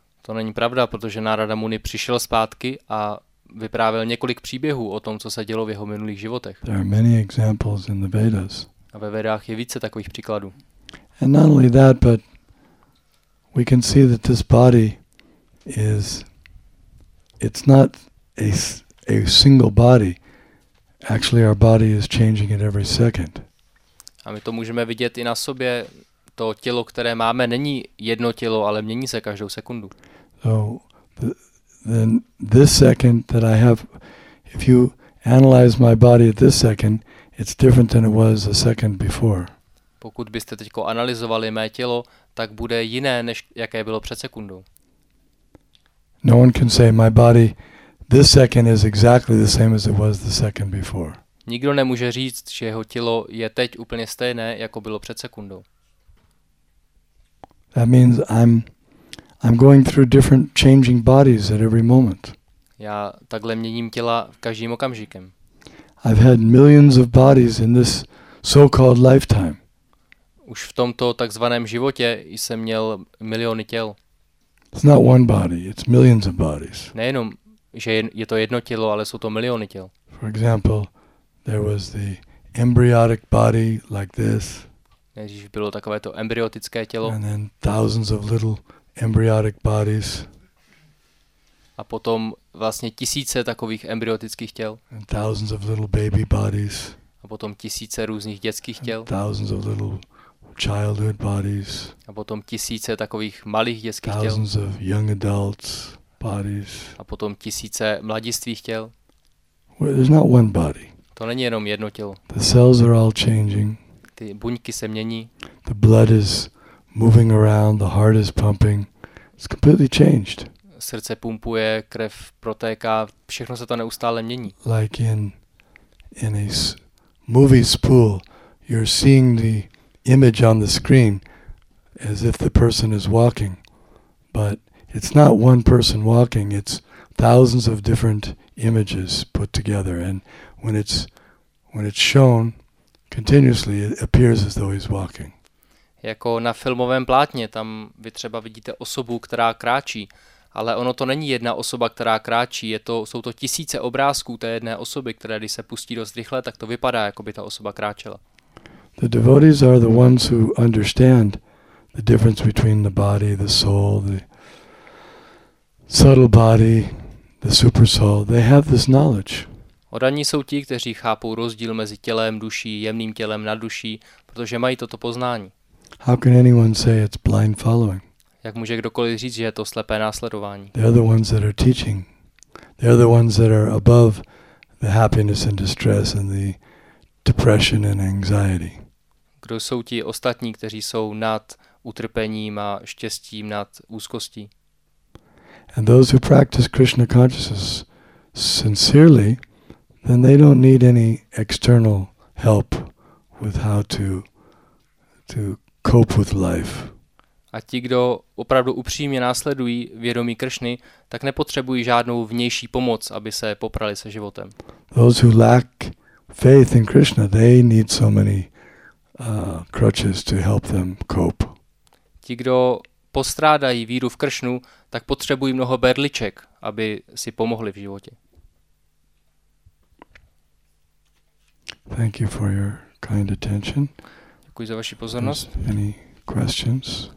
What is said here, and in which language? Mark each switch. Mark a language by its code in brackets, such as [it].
[cs] To není pravda, protože Narada Muni přišel zpátky a vyprávěl několik příběhů o tom, co se dělo v jeho minulých životech. [en] There are many examples in the Vedas. [cs] A ve Vedách je více takových příkladů. [en] And not only that, but we can see that this body is, it's not a single body. Actually, our body is changing it every second. [cs] A my to můžeme vidět i na sobě. To tělo, které máme, není jedno tělo, ale mění se každou sekundu. [en] So, then this second that I have, if you analyze my body at this second, it's different than it was a second before. [cs] Pokud byste teďko analyzovali mé tělo, tak bude jiné, než jaké bylo před sekundou. [en] No one can say my body this second is exactly the same as it was the second before. [cs] Nikdo nemůže říct, že jeho tělo je teď úplně stejné, jako bylo před sekundou. [en] That means I'm going through different changing bodies at every moment. [cs] Já takhle měním těla každým okamžikem. [en] I've had millions of bodies in this so-called lifetime. [cs] Už v tomto takzvaném životě jsem měl miliony těl. [en] It's not one body, it's millions of bodies. [cs] Nejenom, že je to jedno tělo, ale jsou to miliony těl. [en] For example, there was the embryonic body like this. [cs] Nejdřív bylo takové to embryotické tělo. [en] And then thousands of little embryonic bodies. [cs] A potom vlastně tisíce takových embryotických těl. [en] And thousands of little baby bodies. [cs] A potom tisíce různých dětských těl. [en] And thousands of little childhood bodies. [cs] A potom tisíce takových malých dětských těl. [en] Thousands of young adults bodies. [cs] A potom tisíce mladistvých těl. [en] Well, there's not one body. [cs] To není jenom jedno tělo. [en] The cells are all changing. [cs] Ty buňky se mění. [en] The blood is moving around, the heart is pumping. It's completely changed. [cs] Srdce pumpuje, krev protéká, všechno se to neustále mění. [en] Like in a movie spool, you're seeing the image on the screen as if the person is walking. But it's not one person walking, it's thousands of different images put together. And when it's shown continuously, it appears as though he's walking. [cs] Jako na filmovém plátně, tam vy třeba vidíte osobu, která kráčí, ale ono to není jedna osoba, která kráčí, jsou to tisíce obrázků té jedné osoby, které když se pustí dost rychle, tak to vypadá, jako by ta osoba kráčela. [en] The devotees are the ones who understand the difference between the body, the soul, the subtle body, the super soul. They have this knowledge. [cs] Odaní jsou ti, kteří chápou rozdíl mezi tělem, duší, jemným tělem, nadduší, protože mají toto poznání. [en] How can anyone say it's blind following? [cs] Jak může kdokoliv říct, že je to slepé následování? [en] They're the ones that are teaching. They're the ones that are above the happiness and distress and the depression and anxiety. [cs] Kdo jsou ti ostatní, kteří jsou nad utrpením a štěstím, nad úzkostí? [en] And those who practice Krishna consciousness sincerely, then they don't need any external help with how to cope with life. [cs] A ti, kdo opravdu upřímně následují vědomí Kršny, tak nepotřebují žádnou vnější pomoc, aby se poprali se životem. [en] Those who lack faith in Krishna, they need so many crutches to help them cope. [cs] Ti, kdo postrádají víru v Kršnu, tak potřebují mnoho berliček, aby si pomohli v životě. [en] Thank you for your kind attention. [cs] Děkuji za vaši pozornost. [en] Any questions?